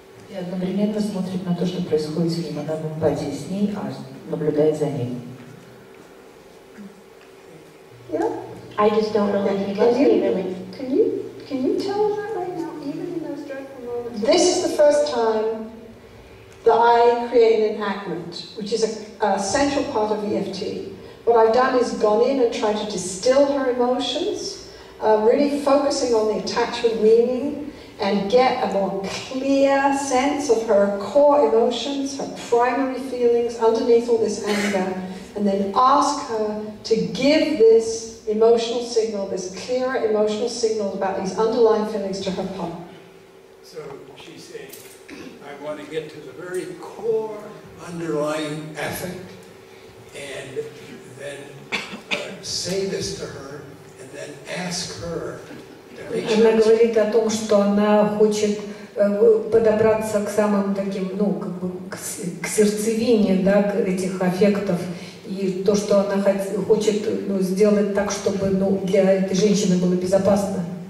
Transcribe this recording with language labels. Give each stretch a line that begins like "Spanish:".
Russian: И одновременно смотрит на то, что происходит с ним. Она в эмпатии с ней, а наблюдает за ним.
English: I just don't know that he loves me, really. Can you tell her right now, even in those dreadful moments? This is the first time that I create an enactment, which is a central part of EFT. What I've done is gone in and tried to distill her emotions, really focusing on the attachment meaning, and get a more clear sense of her core emotions, her primary feelings underneath all this anger, and then ask her to give this emotional signal, this clear emotional signal about these underlying feelings to her partner. So she's saying, I want to get to the very core underlying affect, and then say this to her, and then ask her.
Russian: Она говорит о том, что она хочет подобраться к самым таким, ну, как бы к сердцевине, да, к этих аффектов. И то, что она хочет, ну, сделать так, чтобы, ну, для этой женщины было безопасно.